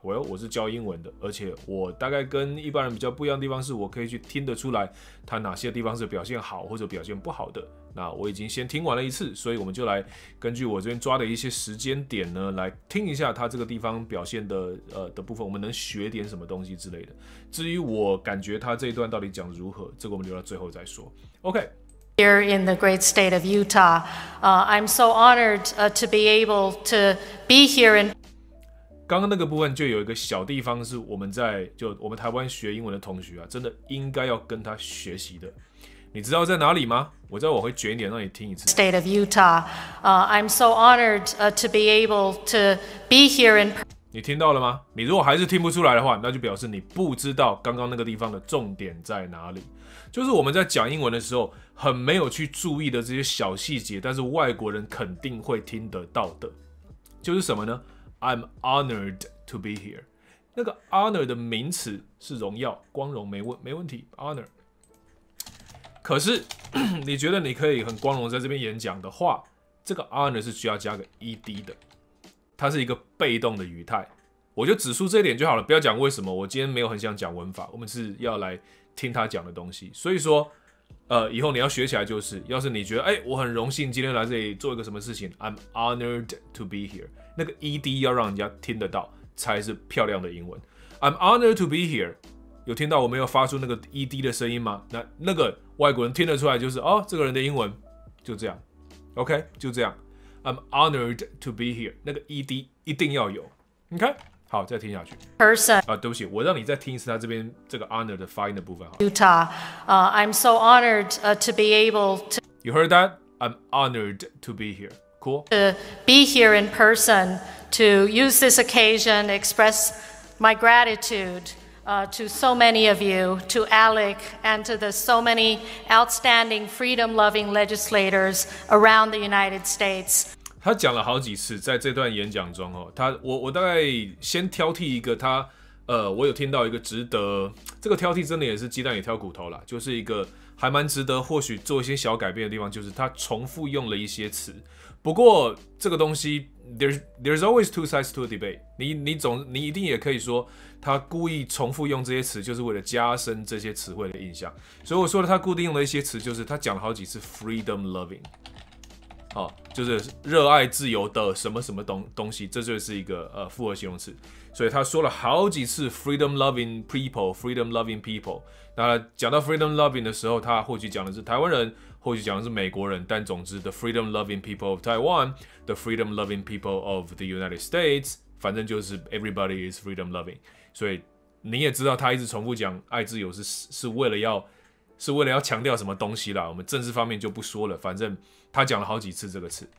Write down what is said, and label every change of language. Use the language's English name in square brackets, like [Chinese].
[Chinese] 我是教英文的，而且我大概跟一般人比较不一样的地方是，我可以去听得出来他哪些地方是表现好或者表现不好的。那我已经先听完了一次，所以我们就来根据我这边抓的一些时间点呢，来听一下他这个地方表现的的部分，我们能学点什么东西之类的。至于我感觉他这一段到底讲如何，这个我们留到最后再说。 OK。 [English] Here in the great state of Utah, I'm so honored to be able to be here in. [Chinese] 刚刚那个部分就有一个小地方是我们在就我们台湾学英文的同学啊，真的应该要跟他学习的。你知道在哪里吗？我知道我会卷一点让你听一次。 [English] State of Utah, I'm so honored to be able to be here in. [Chinese] 你听到了吗？你如果还是听不出来的话，那就表示你不知道刚刚那个地方的重点在哪里。就是我们在讲英文的时候，很没有去注意的这些小细节，但是外国人肯定会听得到的，就是什么呢 ？ [English] I'm honored to be here。 [Chinese] 那个 honor 的名词是荣耀、光荣，没问题 ，honor。可是你觉得你可以很光荣在这边演讲的话，这个 honor 是需要加个 ed 的，它是一个被动的语态。我就指出这一点就好了，不要讲为什么。我今天没有很想讲文法，我们是要来听他讲的东西，所以说。以后你要学起来，就是要是你觉得哎，我很荣幸今天来这里做一个什么事情 ， [English] I'm honored to be here， [Chinese] 那个 ed 要让人家听得到才是漂亮的英文。 [English] I'm honored to be here， [Chinese] 有听到我没有发出那个 ed 的声音吗？那个外国人听得出来，就是哦，这个人的英文就这样 ，OK， 就这样。 [English] I'm honored to be here， [Chinese] 那个 ed 一定要有 ，OK。好，再听下去。 [English] Person [Chinese] 啊，对不起，我让你再听一次他这边这个 honor 的发音的部分。 [English] Utah， I'm so honored to be able to. You heard that? I'm honored to be here. Cool. To be here in person to use this occasion express my gratitude to so many of you, to Alec, and to the so many outstanding freedom-loving legislators around the United States. [Chinese] 他讲了好几次，在这段演讲中哦，我大概先挑剔一个他，我有听到一个值得，这个挑剔真的也是鸡蛋也挑骨头啦，就是一个还蛮值得或许做一些小改变的地方，就是他重复用了一些词。不过这个东西 ， [English] there's always two sides to a debate， [Chinese] 你一定也可以说他故意重复用这些词，就是为了加深这些词汇的印象。所以我说的他固定用的一些词，就是他讲了好几次 freedom loving。哦、就是热爱自由的什么什么 东西，这就是一个复合形容词。所以他说了好几次 [English] freedom loving people， [Chinese] freedom loving people。那讲到 freedom loving 的时候，他或许讲的是台湾人，或许讲的是美国人，但总之 [English] the freedom loving people of Taiwan， the freedom loving people of the United States， [Chinese] 反正就是 [English] everybody is freedom loving。 [Chinese] 所以你也知道他一直重复讲爱自由是为了要强调什么东西啦，我们政治方面就不说了，反正他讲了好几次这个词。